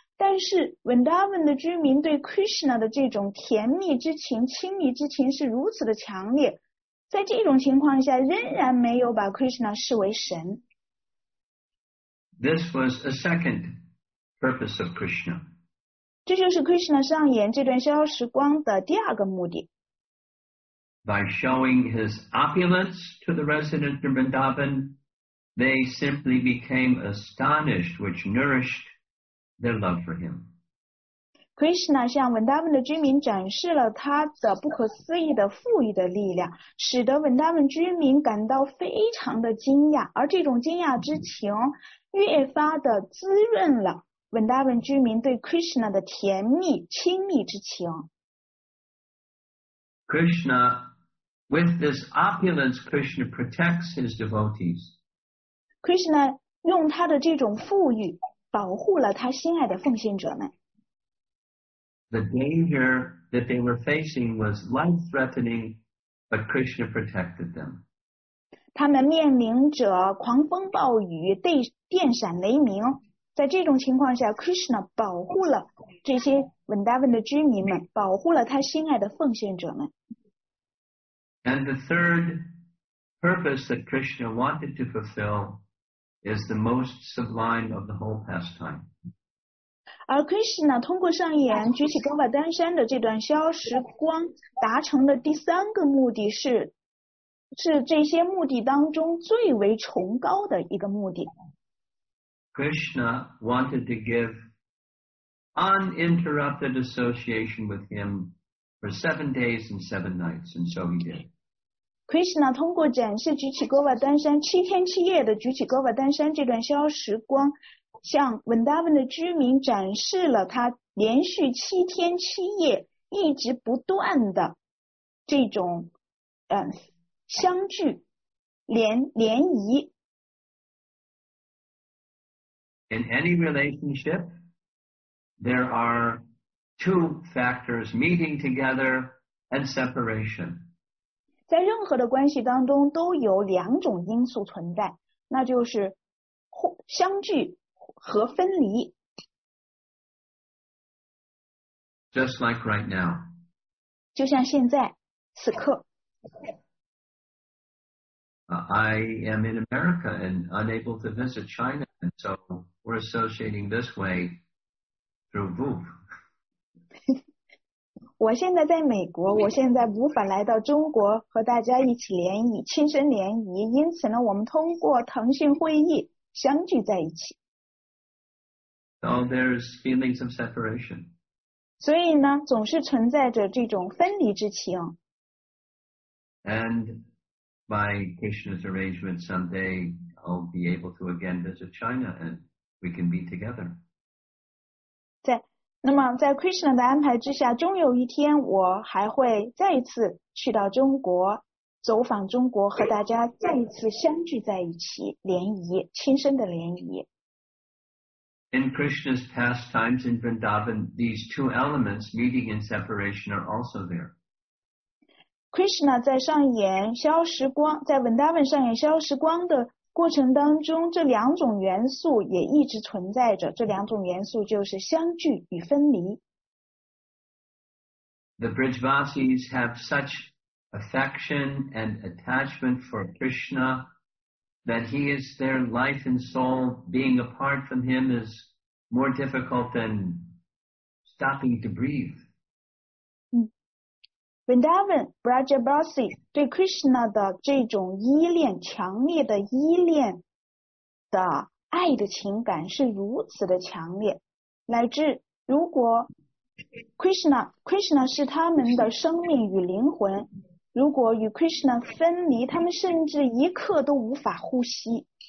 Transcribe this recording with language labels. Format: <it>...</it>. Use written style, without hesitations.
<zh>但是 Vrindavan 的居民对 Krishna 的这种甜蜜之情、亲密之情是如此的强烈，在这种情况下，仍然没有把 Krishna 视为神。</zh> <en>This was a second purpose of Krishna.</en> <zh>这就是 Krishna 上演这段逍遥时光的第二个目的。</zh> <en>By showing his opulence to the residents of Vrindavan, they simply became astonished, which nourished their love for him.</en> <zh>Krishna 向 Vrindavan 的居民展示了他的不可思议的富裕的力量，使得 Vrindavan 居民感到非常的惊讶，而这种惊讶之情越发的滋润了 Vrindavan 居民对 Krishna 的甜蜜亲密之情。</zh> <en>Krishna, with this opulence, Krishna protects his devotees.</en> <zh>Krishna 用他的这种富裕保护了他心爱的奉献者们。</zh> <en>The danger that they were facing was life-threatening, but Krishna protected them.</en> <zh>他们面临着狂风暴雨、电闪雷鸣，在这种情况下 ，Krishna 保护了这些 Vrindavan 的居民们，保护了他心爱的奉献者们。</zh> <en>And the third purpose that Krishna wanted to fulfill is the most sublime of the whole pastime.</en> <zh>而 Krishna 通过上演举起 Govardhan 的这段逍遥时光，达成的第三个目的是。是这些目的当中最为崇高的一个目的。</zh> <en>Krishna wanted to give uninterrupted association with him for 7 days and 7 nights, and so he did.</en> <zh>Krishna 通过展示举起 Govardhan 7天7夜的举起 Govardhan 这段逍遥时光，向 Vrindavan 的居民展示了他连续7天7夜一直不断的这种相聚联谊。</zh> <en>In any relationship, there are two factors meeting together and separation.</en> <zh>在任何的关系当中都有两种因素存在，那就是相聚和分离。</zh> <en>Just like right now.</en> <zh>就像现在，此刻。</zh> <en>I am in America and unable to visit China, and so we're associating this way through VOOV.</en> <zh>我现在在美国，我现在无法来到中国和大家一起联谊，亲身联谊，因此呢，我们通过腾讯会议相聚在一起。</zh> <en>So there's feelings of separation.</en> <zh>所以呢，总是存在着这种分离之情。</zh> <en>And... By Krishna's arrangement, someday I'll be able to again visit China and we can be together.</en> <zh>在那么在 Krishna 的安排之下，终有一天我还会再一次去到中国，走访中国，和大家再一次相聚在一起，联谊，亲身的联谊。</zh> <en>In Krishna's pastimes in Vrindavan, these two elements, meeting and separation, are also there.</en> <zh>Krishna 在上演逍遥时光，在 Vrindavan 上演逍遥时光的过程当中，这两种元素也一直存在着。这两种元素就是相聚与分离。</zh> <en>The Brijvasis have such affection and attachment for Krishna that he is their life and soul. Being apart from him is more difficult than stopping to breathe.</en> <zh>Vrindavan Brajabasi 对 Krishna 的这种依恋，强烈的依恋的爱的情感是如此的强烈，乃至如果 Krishna 是他们的生命与灵魂，如果与 Krishna 分离，他们甚至一刻都无法呼吸。</zh>